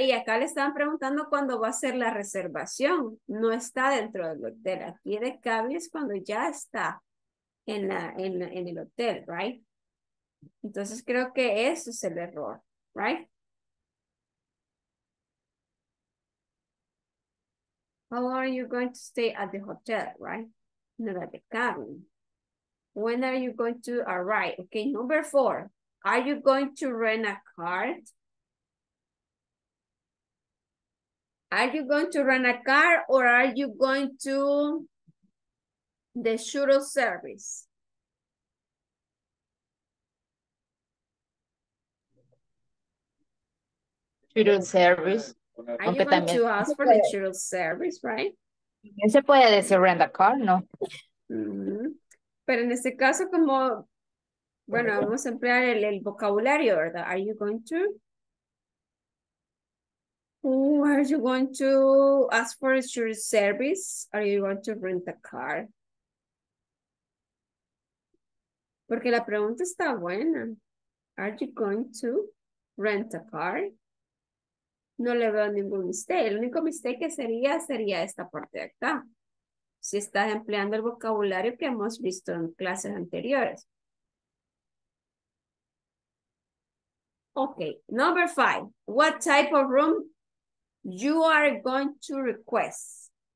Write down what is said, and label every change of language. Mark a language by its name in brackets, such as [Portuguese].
[Spanish] Y acá le estaban preguntando cuándo va a ser la reservación. No está dentro del hotel. Aquí de cabin es cuando ya está en el hotel, right? Entonces creo que eso es el error, right? [English] How long are you going to stay at the hotel, right? No, at the cabin. When are you going to arrive? Okay, number 4. Are you going to rent a car? Are you going to rent a car or are you going to the shuttle service? Shuttle service. Are you going to ask for the shuttle service, right? [Spanish] No se puede decir rent a car, no. Mm-hmm. Pero en este caso, como, bueno, vamos a emplear el vocabulario, ¿verdad? [English] Are you going to? Ooh, are you going to ask for a shuttle service? Are you going to rent a car? [Spanish] Porque la pregunta está buena. [English] Are you going to rent a car? [Spanish] No le veo ningún mistake. El único mistake que sería esta parte de acá. Si estás empleando el vocabulario que hemos visto en clases anteriores. [English] Ok, number five. What type of room you are going to request?